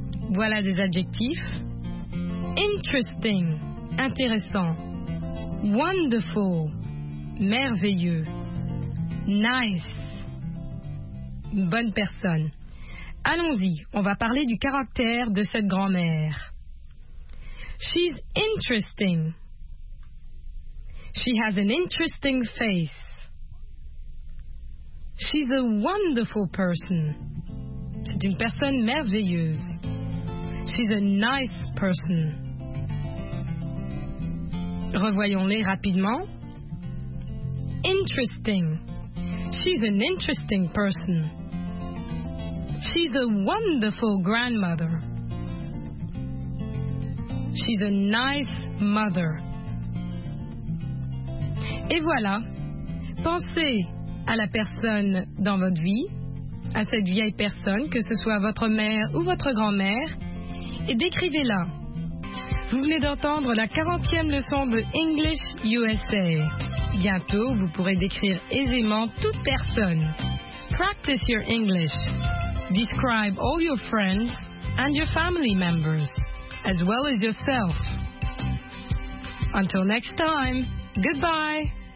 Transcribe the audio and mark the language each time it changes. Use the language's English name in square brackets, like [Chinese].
[French] Voilà des adjectifs. Interesting, intéressant. Wonderful, merveilleux. Nice, une bonne personne. Allons-y, on va parler du caractère de cette grand-mère. [English] She's interesting. She has an interesting face. She's a wonderful person. [French] C'est une personne merveilleuse. [English] She's a nice person. [French] Revoyons-les rapidement. [English] Interesting. She's an interesting person. She's a wonderful grandmother. She's a nice mother. [French] Et voilà. Pensez à la personne dans votre vie, à cette vieille personne, que ce soit votre mère ou votre grand-mère, et décrivez-la. Vous venez d'entendre la 40e leçon de English USA. Bientôt, vous pourrez décrire aisément toute personne. [English] Practice your English. Describe all your friends and your family members, as well as yourself. Until next time, goodbye.